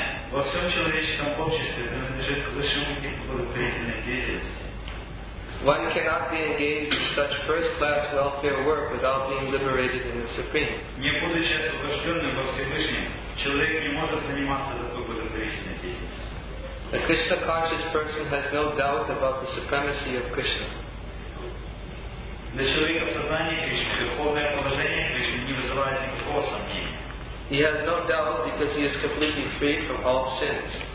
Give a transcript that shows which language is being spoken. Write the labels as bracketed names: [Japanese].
[Russian] Во всем человеческом обществе принадлежит к высшему типу благотворительной деятельности. [English] One cannot be engaged in such first-class welfare work without being liberated in the Supreme. [Russian] Не будучи освобожденным во Всевышнем, человек не может заниматься такой благотворительной деятельностью. [English] A Krishna-conscious person has no doubt about the supremacy of Krishna. [Russian] Для человека в сознании Кришны духовное положение Кришны не вызывает никакого сомнения. [English] He has no doubt because he is completely free from all sins.